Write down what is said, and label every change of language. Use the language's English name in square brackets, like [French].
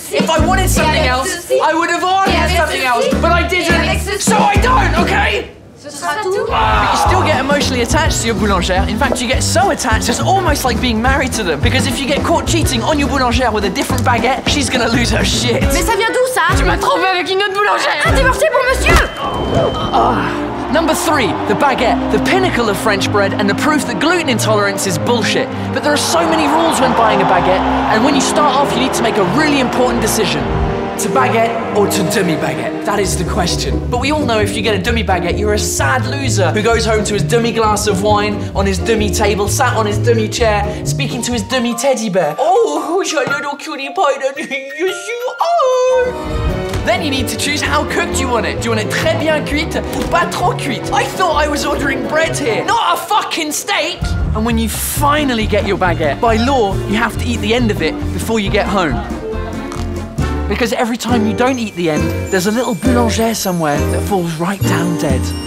[English] If I wanted something else, I would have ordered something else, but I didn't. So I don't, okay? But you still get emotionally attached to your boulangère. In fact, you get so attached, it's almost like being married to them. Because if you get caught cheating on your boulangère with a different baguette, she's gonna lose her shit. [French] Mais ça vient d'où ça? Tu m'as trompé avec une autre boulangère. Un divorcé pour monsieur. [English] Number three, the baguette. The pinnacle of French bread and the proof that gluten intolerance is bullshit. But there are so many rules when buying a baguette. And when you start off, you need to make a really important decision. To baguette or to demi-baguette? That is the question. But we all know if you get a demi-baguette, you're a sad loser who goes home to his demi-glass of wine, on his demi-table, sat on his demi-chair, speaking to his demi-teddy bear. Oh, who's your little cutie pie? Yes, you are! Then you need to choose how cooked you want it. Do you want it [French] très bien cuite ou pas trop cuite? [English] I thought I was ordering bread here, not a fucking steak! And when you finally get your baguette, by law, you have to eat the end of it before you get home. Because every time you don't eat the end, there's a little boulangère somewhere that falls right down dead.